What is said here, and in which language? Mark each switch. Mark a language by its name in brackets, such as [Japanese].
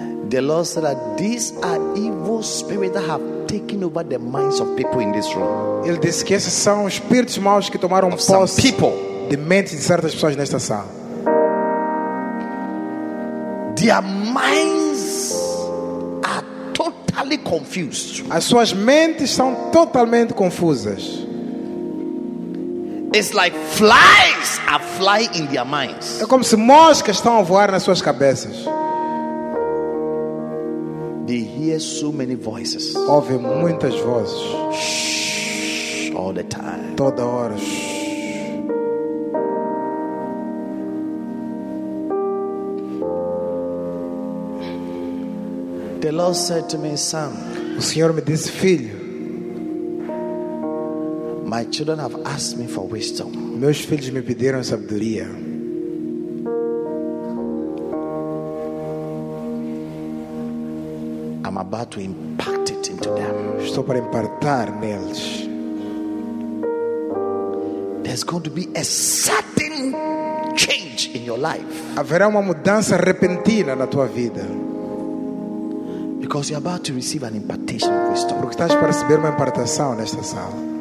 [English] The Lord said that these are evil spirits that have taken over the minds of people in this room. [Portuguese] Ele disse que esses são espíritos maus que tomaram [English] of [Portuguese] posse [English] some people. [Portuguese] De mente de certas pessoas nesta sala. [English] Their minds are totally confused. [Portuguese] As suas mentes são totalmente confusas. [English] It's like flies are flying in their minds. [Portuguese] É como se moscas estão a voar nas suas cabeças. [English] They hear so many voices. [Portuguese] Ouvem muitas vozes. [English] Shh, all the time. [Portuguese] Toda hora. Shh. [English] The Lord said to me, son. [Portuguese] O Senhor me disse, filho. [English] My children have asked me for wisdom. [Portuguese] Meus filhos me pediram sabedoria. [English] I'm about to impart impart it into them. [Portuguese] Estou para impartar neles. [English] There's going to be a sudden change in your life. [Portuguese] Haverá uma mudança repentina na tua vida. [English] Because you're about to receive an impartation of wisdom. [Portuguese] Porque estás para receber uma impartação nesta sala.